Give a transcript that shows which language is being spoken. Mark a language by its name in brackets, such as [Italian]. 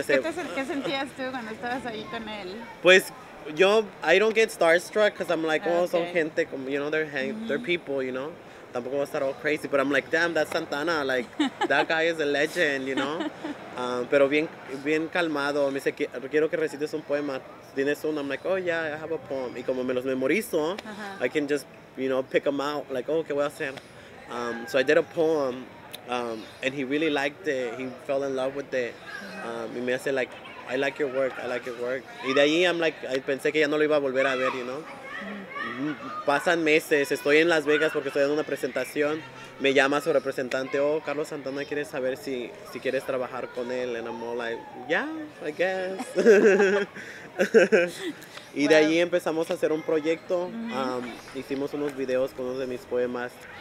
[Spanish] hace, ¿Qué sentías tú cuando estabas ahí con él? Pues yo, [English] I don't get starstruck because I'm like, okay. Oh, [Spanish] son gente, como, [English] you know, they're people, you know. [Spanish] Tampoco va a estar [English] all crazy, but I'm like, damn, that's Santana, like, that guy is a legend, you know. [Spanish] Pero bien, bien calmado, me dice, quiero que recites un poema. Tienes uno, [English] I'm like, oh, yeah, I have a poem. [Spanish] Y como me los memorizo, [English] I can just, you know, pick them out, like, oh, [Spanish] ¿qué voy a hacer? [English] So I did a poem, and he really liked it. He fell in love with it. [Spanish] Y me hace, [English] like, I like your work. [Spanish] Y de ahí, [English] I'm like, [Spanish] I pensé que ya no lo iba a volver a ver, [English] you know. [Spanish] Pasan meses, estoy en Las Vegas porque estoy dando una presentación. Me llama su representante, oh, Carlos Santana quiere saber si quieres trabajar con él. [English] And I'm all like, yeah, I guess. [Spanish] Y de ahí empezamos a hacer un proyecto. Hicimos unos videos con uno de mis poemas.